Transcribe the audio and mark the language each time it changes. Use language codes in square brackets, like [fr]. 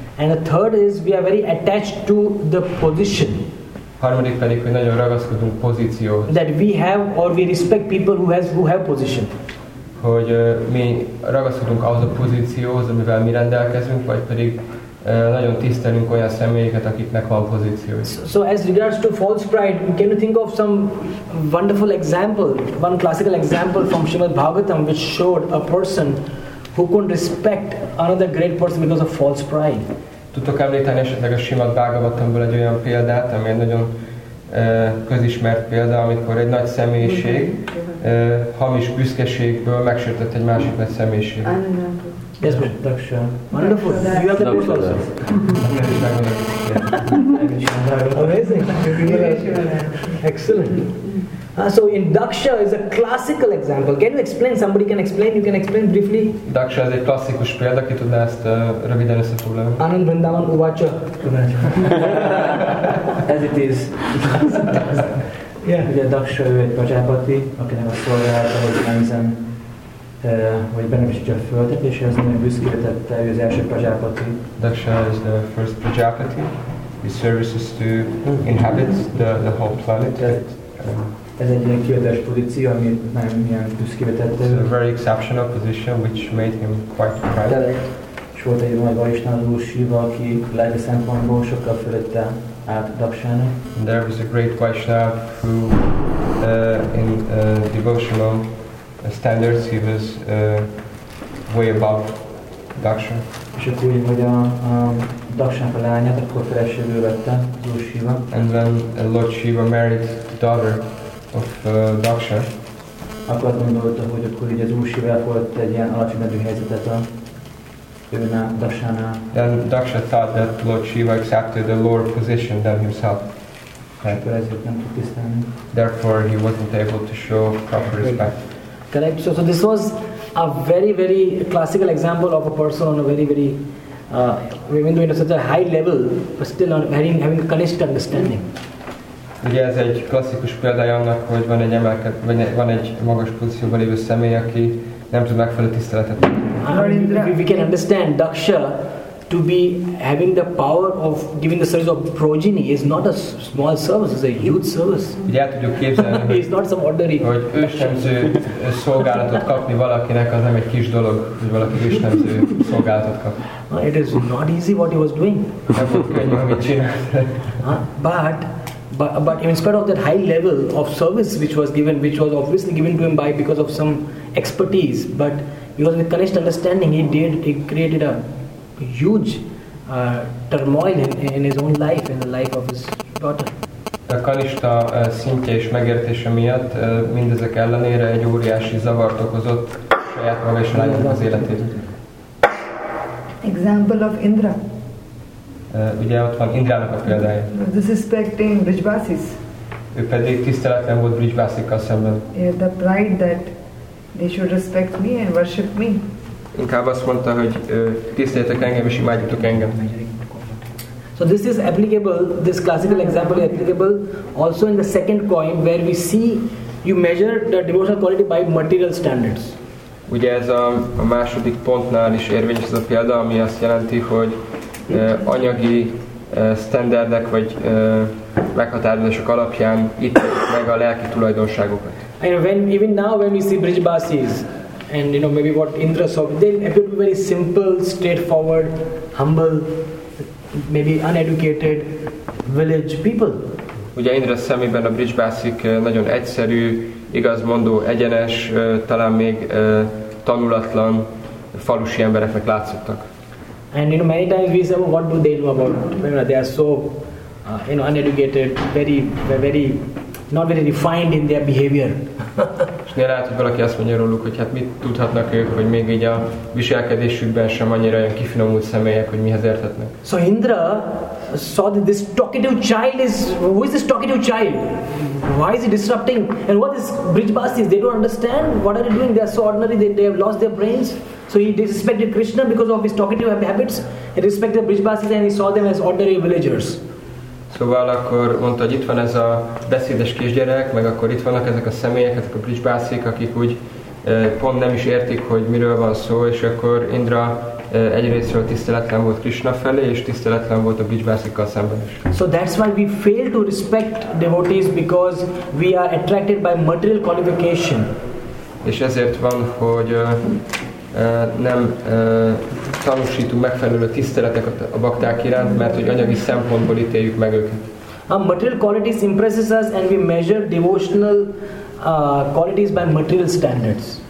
[en] And the third is we are very attached to the position. [hu] Harmadik pedig, hogy nagyon ragaszkodunk pozícióhoz. [en] That we have or we respect people who have position. [hu] Hogy mi ragaszkodunk ahhoz a pozícióhoz, amivel mi rendelkezünk, vagy pedig nagyon tisztelünk olyan személyeket, akiknek van pozíciója. [en] So as regards to false pride, can you think of some wonderful example, one classical example from Srimad Bhagavatam, which showed a person who couldn't respect another great person because of false pride? [hu] Tudtok említeni esetleg a Srimad Bhagavatamból egy olyan példát, ami egy nagyon közismert példa, amikor egy nagy személyiség hamis büszkeségből megsértett egy másik nagy személyiséget. [en] Yes, Daksha. Wonderful. You have the Excellent. So in Daksha is a classical example. Can you explain? Somebody can explain. You can explain briefly. [hu] Daksha [en] is a [hu] klasszikus példa. Ki tudná ezt röviden összefoglalni? [en] Anand Vrindavan Uvacha. As it is. Yeah. Yeah. Daksha is a Prajapati. Okay. I'm sorry. I was [hu] hogy benne visítja a földet, és ez nagyon büszkéletette, ő az első Prajapati. [en] Daksha is the first Prajapati. His services to inhabit the whole planet. [hu] Ez egy ilyen kivételes pozíció, ami nagyon büszkéletette. [en] It's a very exceptional position, which made him quite proud. [hu] És volt egy nagy Vaishnava guru, Shiva, aki lelki szempontból sokkal fölötte állt Dakshának. [en] And there was a great Vaishnava who in devotional standards, he was way above Daksha. [hu] És akkor úgy, hogy a Daksának a lányát, akkor feleségül vette Lord Shiva. [en] And when Lord Shiva married the daughter of Daksha, [hu] akkor azt gondolta, hogy akkor így az Lord Shiva volt egy ilyen alacsonyabb helyzetet a őnál, Daksánál. [en] Then Daksha thought that Lord Shiva accepted a lower position than himself. Right. Therefore, he wasn't able to show proper respect. Correct. So this was a very, very classical example of a person on a very, very, even though it was at a high level, but still on having a Kanishta understanding. [hu] Ugye ez egy klasszikus példája annak, hogy van egy magas pozícióban lévő személy, aki nem tud megfelelő tiszteletet. [en] We can understand Daksha to be having the power of giving the service of progeny is not a small service, it's a huge service. [hu] Ugye el tudjuk képzelni, hogy, [en] not some ordinary. [hu] Hogy ősnemző szolgálatot kapni valakinek, az nem egy kis dolog, hogy valaki ősnemző szolgálatot kap. [en] It is not easy what he was doing. But in spite of that high level of service which was given, which was obviously given to him by because of some expertise, but he was with Kanishta understanding, he created a huge turmoil in his own life, in the life of his daughter. [hu] A Kanishta szintje és megértése miatt mindezek ellenére egy óriási zavart okozott saját maga és a lányának az életét. [en] Example of Indra. [hu] Ugye ott van Indrának a példája. [en] Disrespecting Vrijvasis. [hu] Ő pedig tiszteletlen volt Vrijvasikkal szemben. [en] Yeah, the pride that they should respect me and worship me. [hu] inkább azt mondta, hogy tiszteljetek engem és imádjatok engem. [en] So this is applicable, this classical example is applicable also in the second coin where we see you measure the devotional quality by material standards. [hu] Ugye ez a második pontnál is érvényes ez a példa, ami azt jelenti, hogy anyagi standardek vagy meghatározások alapján ítéljük meg a lelki tulajdonságokat. [en] And when even now when we see Brijbasis and you know maybe what Indra saw, they appear to be very simple, straightforward, humble, maybe uneducated village people. [hu] Ugye Indra szemében a Brijbasik nagyon egyszerű, igazmondó, egyenes, talán még tanulatlan falusi embereknek látszottak. [en] And you know many times we say, what do they know about? You know, they are so you know uneducated, very not very refined in their behavior. [hu] És néha látod, valaki azt mondja róluk, hogy hát mit tudhatnak ők, hogy még így a viselkedésükben sem annyira olyan kifinomult személyek, hogy mihez értetnek. [en] So Indra saw that this talkative child is, who is this talkative child? Why is he disrupting? And what is Brijbasis? They don't understand. What are they doing? They are so ordinary. They have lost their brains. So he disrespected Krishna because of his talkative habits. He respected Brijbasis and he saw them as ordinary villagers. [hu] Szóval akkor mondta, hogy itt van ez a beszédes kisgyerek, meg akkor itt vannak ezek a személyek, ezek a Brijbasik, akik úgy pont nem is értik, hogy miről van szó, és akkor Indra egyrészről tiszteletlen volt Krishna felé, és tiszteletlen volt a Brijbasikkal szemben is. [en] So that's why we fail to respect devotees because we are attracted by material qualification. [hu] És ezért van, hogy nem tanúsítunk megfelelő tiszteleteket a bakták iránt, mert hogy anyagi szempontból ítéljük meg őket. [en] A material qualities impresses us and we measure devotional qualities by material standards.